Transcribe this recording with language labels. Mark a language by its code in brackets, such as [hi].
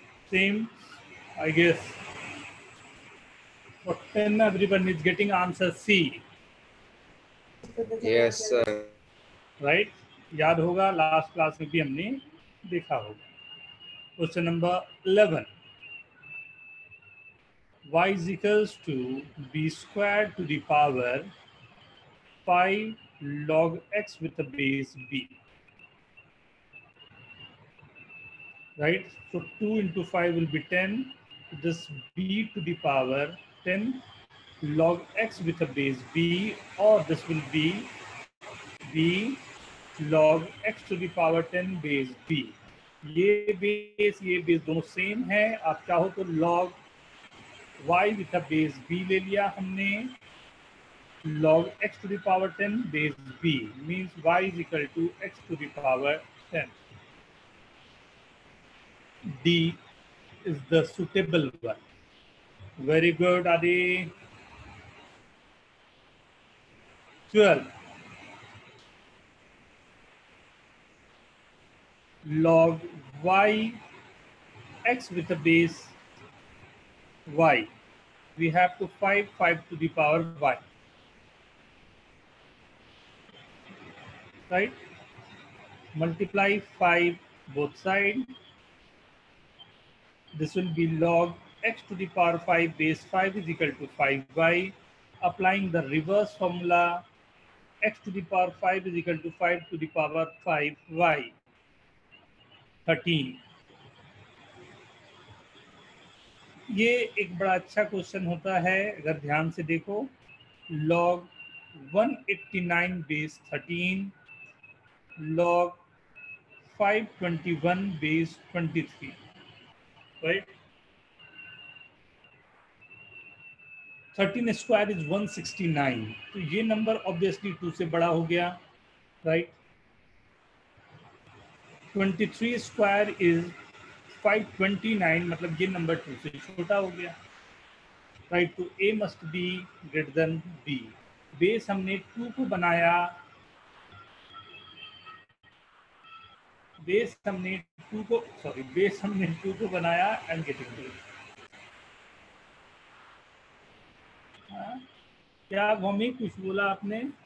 [en] Same I guess for 10 everyone is getting answer C. Yes, sir. Right? [hi] याद होगा last class में भी हमने देखा होगा। [en] Question number 11, y is equals to b squared to the power 5 log x with the base b. Right? So 2 into 5 will be 10. This b to the power 10 log x with a base b, or this will be b log x to the power 10 base b. [hi] ये base दोनों same हैं। आप चाहो तो [en] log y with a base b ले लिया हमने, log x to the power 10 base b means y is equal to x to the power 10. D is the suitable one. Very good, Adi. 12, log y x with the base y, we have to 5 to the power y, right? Multiply 5 both sides. This will be log x to the power 5 base 5 is equal to 5y. Applying the reverse formula, x to the power 5 is equal to 5 to the power 5y, 13. [hi] ये एक बड़ा अच्छा question होता है, अगर ध्यान से देखो। [en] log 189 base 13, log 521 base 23, right? 13 square is 169. [hi] तो ये नंबर ऑब्वियसली 2 से बड़ा हो गया, राइट? [en] 23 square is 529, [hi] मतलब ये नंबर 2 से छोटा हो गया, राइट? [en] तो a must be greater than b. [hi] Base हमने 2 को बनाया, बेस हमने 2 को बनाया [en] and getting b. [hi] क्या मम्मी कुछ बोला आपने?